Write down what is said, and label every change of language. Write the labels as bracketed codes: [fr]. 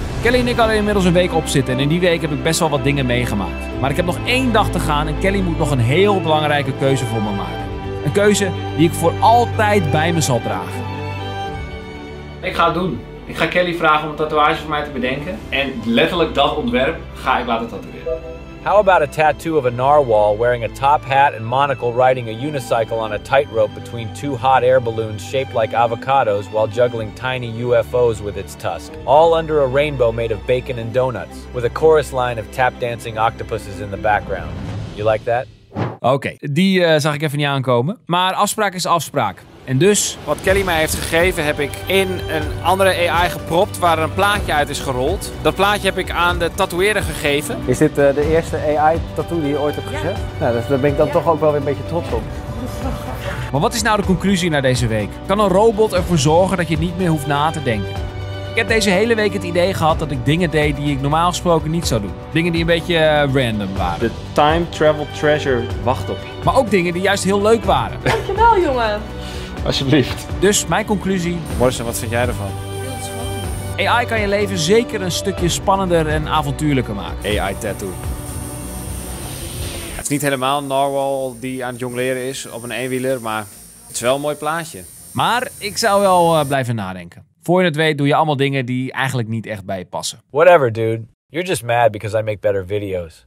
[nl] Kelly en ik hadden inmiddels een week opzitten en in die week heb ik best wel wat dingen meegemaakt. Maar ik heb nog één dag te gaan en Kelly moet nog een heel belangrijke keuze voor me maken. Een keuze die ik voor altijd bij me zal dragen. Ik ga het doen. Ik ga Kelly vragen om een tatoeage voor mij te bedenken. En letterlijk dat ontwerp ga ik laten tatoeëren. [en] How about a tattoo of a narwhal wearing a top hat and monocle riding a unicycle on a tightrope between two hot air balloons shaped like avocados while juggling tiny UFOs with its tusk? All under a rainbow made of bacon and donuts, with a chorus line of tap dancing octopuses in the background. You like that? [nl] Okay, die zag ik even niet aankomen. Maar afspraak is afspraak. En dus, wat Kelly mij heeft gegeven, heb ik in een andere AI gepropt waar een plaatje uit is gerold. Dat plaatje heb ik aan de tatoeëerder gegeven. Is dit de eerste AI-tattoo die je ooit hebt gezet? Ja. Nou, dus daar ben ik dan toch ook wel weer een beetje trots op. Maar wat is nou de conclusie na deze week? Kan een robot ervoor zorgen dat je niet meer hoeft na te denken? Ik heb deze hele week het idee gehad dat ik dingen deed die ik normaal gesproken niet zou doen. Dingen die een beetje random waren. De time travel treasure wacht op je. Maar ook dingen die juist heel leuk waren. Dankjewel, jongen. Alsjeblieft. Dus mijn conclusie... Morsen, wat vind jij ervan? Heel schoon. AI kan je leven zeker een stukje spannender en avontuurlijker maken. AI tattoo. Het is niet helemaal Narwhal die aan het jongleren is op een eenwieler, maar het is wel een mooi plaatje. Maar ik zou wel blijven nadenken. Voor je het weet doe je allemaal dingen die eigenlijk niet echt bij je passen. [en] Whatever, dude. You're just mad because I make better videos.